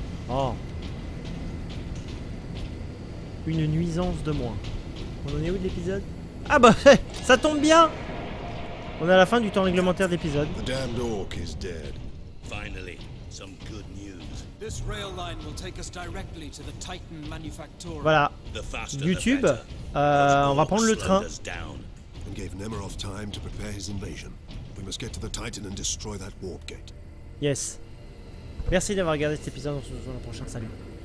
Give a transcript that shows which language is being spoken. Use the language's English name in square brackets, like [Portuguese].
[French] Oh. Une nuisance de moins. On en est où de l'épisode? Ah bah, ça tombe bien! On est à la fin du temps réglementaire d'épisode. [English] The damned orc is dead. Finally, some good news. This rail line will take us directly to the Titan Manufacturer. [French] Voilà. YouTube, on va prendre le train. [English] And gave Nemiroff time to prepare his invasion. We must get to the Titan and destroy that warp gate. [French] Yes. Merci d'avoir regardé cet épisode. On se retrouve dans le prochain. Salut.